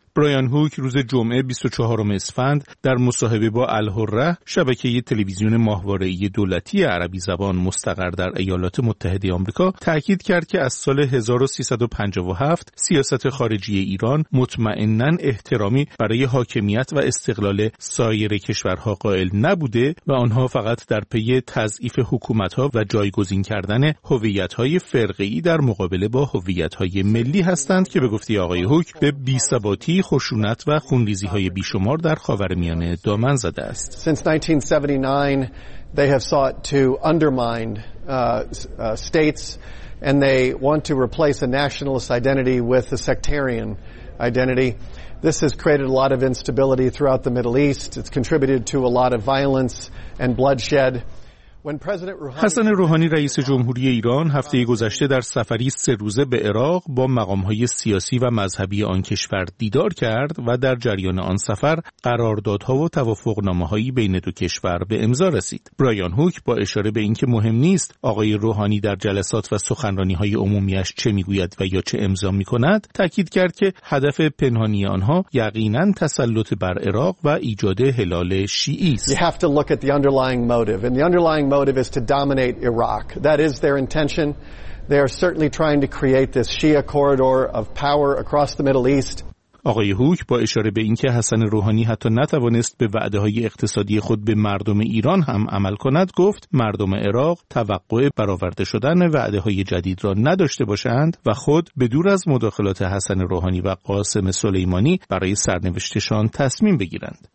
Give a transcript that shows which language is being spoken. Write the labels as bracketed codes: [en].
[fa] برایان هوک روز جمعه 24 اسفند در مصاحبه با الحره، شبکه تلویزیون ماهواره‌ای دولتی عربی زبان مستقر در ایالات متحده آمریکا، تاکید کرد که از سال 1357 سیاست خارجی ایران مطمئناً احترامی برای حاکمیت و استقلال سایر کشورها قائل نبوده و آنها فقط در پی تضعیف حکومت‌ها و جایگزین کردن هویت‌های فرقه‌ای در مقابله با هویت‌های ملی هستند که به گفته آقای هوک به بی‌ثباتی، خشونت و خونریزی‌های بیشمار در خاورمیانه دامن زده است. [en] Since 1979 they have sought to undermine states and they want to replace a nationalist identity with a sectarian identity. This has created a lot of instability throughout the Middle East. It's contributed to a lot of violence and bloodshed. [fa] حسن روحانی رئیس جمهوری ایران هفته گذشته در سفری 3 روزه به عراق با مقام‌های سیاسی و مذهبی آن کشور دیدار کرد و در جریان آن سفر قراردادها و توافق‌نامه‌هایی بین دو کشور به امضا رسید. برایان هوک با اشاره به اینکه مهم نیست آقای روحانی در جلسات و سخنرانی‌های عمومی‌اش چه می‌گوید و یا چه امضا می‌کند، تأکید کرد که هدف پنهانی آنها یقیناً تسلط بر عراق و ایجاد هلال شیعی است. [en] You have to look at the underlying motive and the underlying motive is to dominate Iraq. That is their intention. They are certainly trying to create this Shia corridor of power across the Middle East. [fa] آقای هوک با اشاره به اینکه حسن روحانی حتی نتوانست به وعده‌های اقتصادی خود به مردم ایران هم عمل کند، گفت مردم عراق توقع برآورده شدن وعده‌های جدید را نداشته باشند و خود به دور از مداخلات حسن روحانی و قاسم سلیمانی برای سرنوشتشان تصمیم بگیرند.